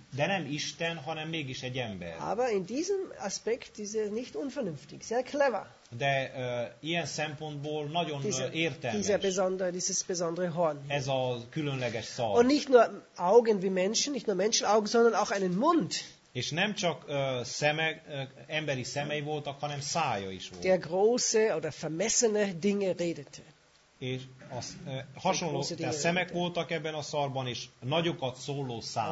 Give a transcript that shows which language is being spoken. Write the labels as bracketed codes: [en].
[hu] De nem Isten, hanem mégis egy ember. [de] Aber in diesem Aspekt ist er nicht unvernünftig, sehr clever. [hu] De ilyen szempontból nagyon értelmes. [de] Dieses besondere Horn. [hu] Ez a különleges szarv. [de] Und nicht nur Augen wie Menschen, nicht nur Menschenaugen, sondern auch einen Mund. [hu] És nem csak emberi szemei voltak, hanem szája is volt. [de] Der große oder vermessene Dinge redete. [hu] És hasonló, tehát szemek voltak ebben a szarban, és nagyokat szóló száj.